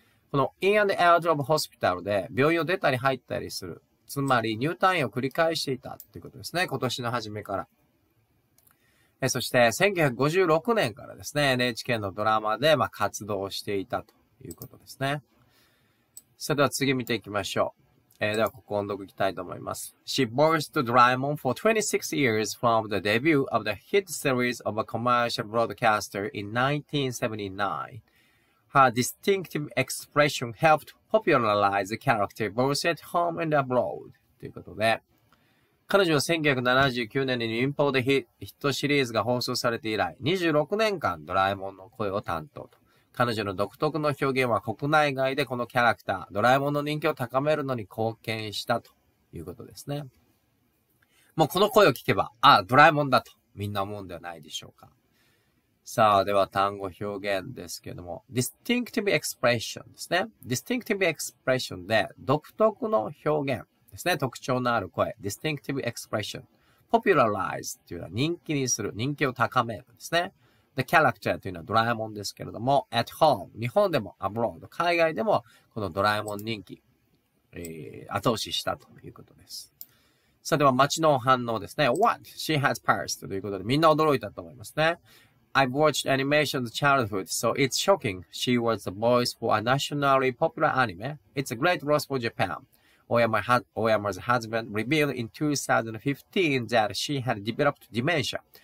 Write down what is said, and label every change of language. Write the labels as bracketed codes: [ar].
[ja] この in and out of hospital で病院を出たり入ったりする、つまり入退院を繰り返していたということですね、今年の初めから。そして1956年からですね、NHK のドラマで、まあ、活動していたということですね。それでは次見ていきましょう。では、ここを読みたいと思います。 [en] She voiced Doraemon for 26 years from the debut of the hit series of a commercial broadcaster in 1979. Her distinctive expression helped popularize the character both at home and abroad. [ja] ということで、彼女は1979年に民放でヒットシリーズが放送されて以来、26年間ドラえもんの声を担当と。彼女の独特の表現は国内外でこのキャラクター、ドラえもんの人気を高めるのに貢献したということですね。もうこの声を聞けば、あ、ドラえもんだとみんな思うんではないでしょうか。さあ、では単語表現ですけれども、 [en] distinctive expression [ja] ですね。 [en] distinctive expression [ja] で独特の表現ですね。特徴のある声。 [en] distinctive expression。 [ja] popularize というのは人気にする、人気を高めるですね。 [en] The character [ja] というのはドラえもんですけれども、 [en] at home、 [ja] 日本でも [en] abroad、 [ja] 海外でもこのドラえもん人気、後押ししたということです。さあ、では街の反応ですね。 [en] What? She has passed [ja] ということでみんな驚いたと思いますね。 [en] I've watched animation in childhood, so it's shocking. She was the voice for a nationally popular anime. It's a great loss for Japan. Oyama's husband revealed in 2015 that she had developed dementia.